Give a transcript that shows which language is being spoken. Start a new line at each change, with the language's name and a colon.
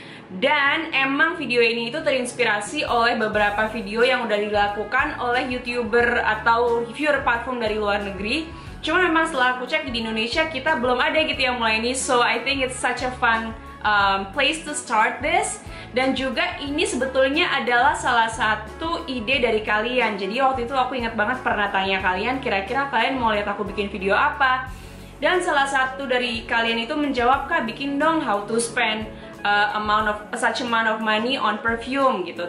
Indonesian: Dan emang video ini itu terinspirasi oleh beberapa video yang udah dilakukan oleh YouTuber atau reviewer parfum dari luar negeri. Cuma memang setelah aku cek di Indonesia, kita belum ada gitu yang mulai ini.
English: So I think it's such a fun place to start this.
Indonesian: Dan juga ini sebetulnya adalah salah satu ide dari kalian. Jadi waktu itu aku ingat banget pernah tanya kalian, kira-kira kalian mau lihat aku bikin video apa? Dan salah satu dari kalian itu menjawab, "Kak, bikin dong
English: how to spend such amount of money on perfume,"
Indonesian: gitu.